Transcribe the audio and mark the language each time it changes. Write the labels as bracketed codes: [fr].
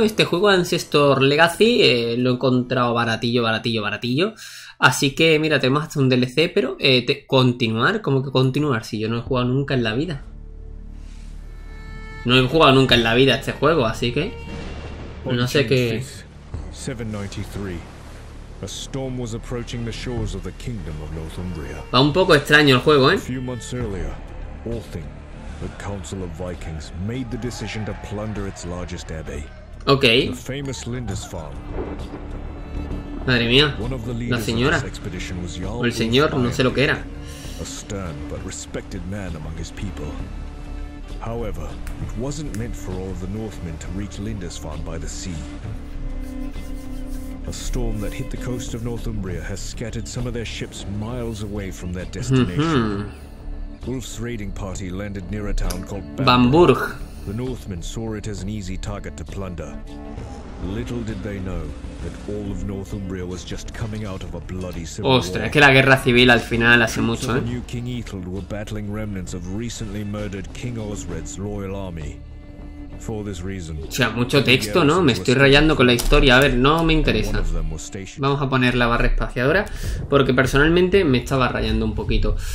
[es] Este juego Ancestor Legacy lo he encontrado baratillo, baratillo, baratillo. Así que, mira, tenemos hasta un DLC, pero... ¿continuar? ¿Cómo que continuar? Si yo no he jugado nunca en la vida. No he jugado nunca en la vida este juego, así que... No sé qué... 793. [en] A storm was approaching the shores of the kingdom of Northumbria. [es] Va un poco extraño el juego, ¿eh? [en] The Council of Vikings made the decision to plunder its largest abbey. Okay. The famous Lindisfarne. [es] Madre mía. [en] One of the leaders of this expedition was Jarl Ulfheim, a stern but respected man among his people. However, it wasn't meant for all of the Northmen to reach Lindisfarne by the sea. A storm that hit the coast of Northumbria has scattered some of their ships miles away from their destination. Mm-hmm. Ulf's raiding party landed near a town called Bamburg. The Northmen saw it as an easy target to plunder. Little did they know that all of Northumbria was just coming out of a bloody civil war. [es] Ostras, que la guerra civil al final hace mucho, ¿eh? [en] New King Ethelred were battling remnants of recently murdered King Osred's loyal army. For this reason, [es] o sea, mucho texto, ¿no? Me estoy rayando con la historia. A ver, no me interesa. Vamos a poner la barra espaciadora porque personalmente me estaba rayando un poquito.